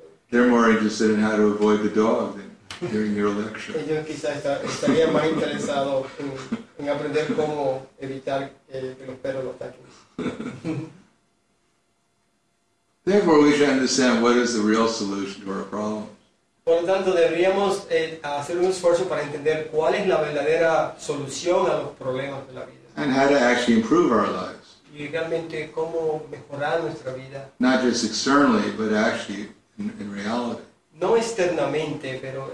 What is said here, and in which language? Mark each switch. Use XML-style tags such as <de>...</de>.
<en>They're more interested in how to avoid the dog than hearing your lecture.</en> <es>Ellos quizá estarían más interesados en aprender cómo evitar que los perros lo ataquen.</es> <en>Therefore, we should understand what is the real solution to our problems.</en> <es>Por lo tanto, deberíamos hacer un esfuerzo para entender cuál es la verdadera solución a los problemas de la vida.</es> <en>And how to actually improve our lives.</en> <es>Y realmente cómo mejorar nuestra vida.</es> <en>Not just externally, but actually in reality.</en> <es>No externamente, pero...</es>